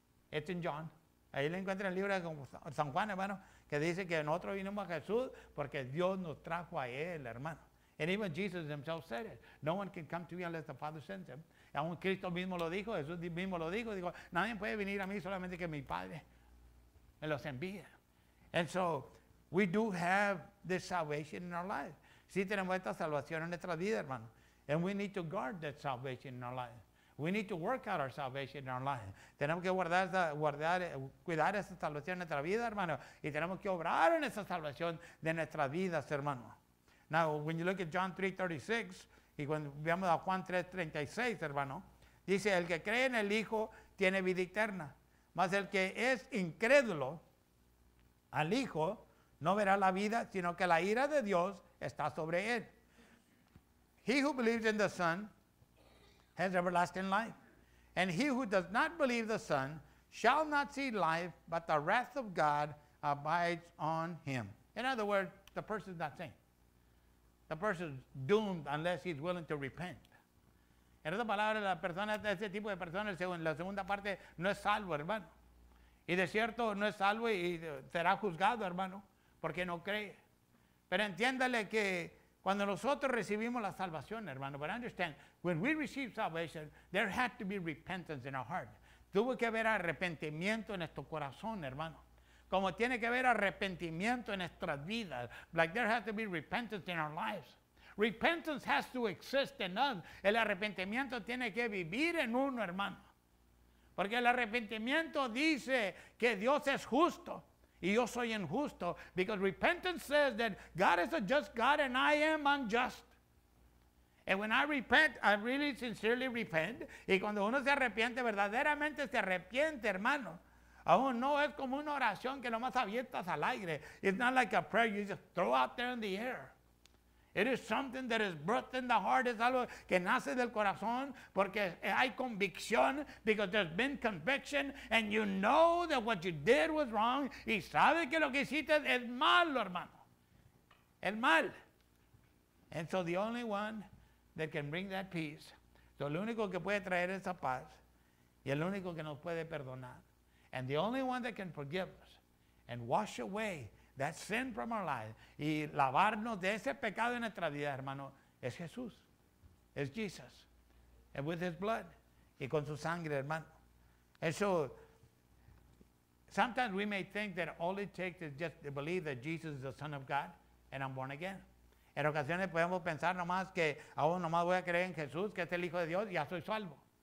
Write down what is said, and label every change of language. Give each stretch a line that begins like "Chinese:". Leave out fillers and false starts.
English: It's in John.
Spanish: Ahí le encuentra el libro de San Juan, hermano, que dice que nosotros vinimos a Jesús porque Dios nos trajo a Él, hermano.
English: And even Jesus himself said it. No one can come to me unless the Father sends him.
Spanish: Aún Cristo mismo lo dijo, Jesús mismo lo dijo. Dijo, nadie puede venir a mí solamente que mi Padre me los envíe.
English: And so, we do have this salvation in our life.
Spanish: Sí tenemos esta salvación en nuestra vida, hermano.
English: And we need to guard that salvation in our life. We need to work out our salvation in our life.
Spanish: Tenemos que cuidar esa salvación en nuestra vida, hermano. Y tenemos que obrar en esa salvación de nuestras vidas, hermano.
English: Now, when you look at John 3:36,
Spanish: y cuando veamos a Juan 3:36, hermano, dice, el que cree en el Hijo tiene vida eterna, mas el que es incrédulo al Hijo no verá la vida, sino que la ira de Dios está sobre él.
English: He who believes in the Son has everlasting life, and he who does not believe the Son shall not see life, but the wrath of God abides on him. In other words, the person is not saved. The person is doomed unless he's willing to repent.
Spanish: En otras palabras, la persona, ese tipo de persona, en la segunda parte, no es salvo, hermano. Y de cierto, no es salvo y será juzgado, hermano, porque no cree. Pero entiéndale que cuando nosotros recibimos la salvación, hermano,
English: but understand, when we receive salvation, there had to be repentance in our heart.
Spanish: Tuvo que haber arrepentimiento en nuestro corazón, hermano. Como tiene que haber arrepentimiento en nuestras vidas.
English: Like there has to be repentance in our lives. Repentance has to exist in us.
Spanish: El arrepentimiento tiene que vivir en uno, hermano. Porque el arrepentimiento dice que Dios es justo y yo soy injusto.
English: Because repentance says that God is a just God and I am unjust. And when I repent, I really sincerely repent.
Spanish: Y cuando uno se arrepiente, verdaderamente se arrepiente, hermano. Aún no es como una oración que nomás abiertas al aire.
English: It's not like a prayer you just throw out there in the air. It is something that is birthed in the heart.
Spanish: Es algo que nace del corazón porque hay convicción,
English: because there's been conviction and you know that what you did was wrong.
Spanish: Y sabes que lo que hiciste es malo, hermano. Es mal.
English: And so the only one that can bring that peace,
Spanish: so el único que puede traer esa paz y el único que nos puede perdonar,
English: and the only one that can forgive us and wash away that sin from our life
Spanish: y lavarnos de ese pecado en nuestra vida, hermano, es Jesús.
English: Es Jesus. And with his blood.
Spanish: Y con su sangre, hermano.
English: And so, sometimes we may think that all it takes is just to believe that Jesus is the Son of God and I'm born again.
Spanish: En ocasiones podemos pensar nomás que aún nomás voy a creer en Jesús, que es el Hijo de Dios, y ya soy salvo.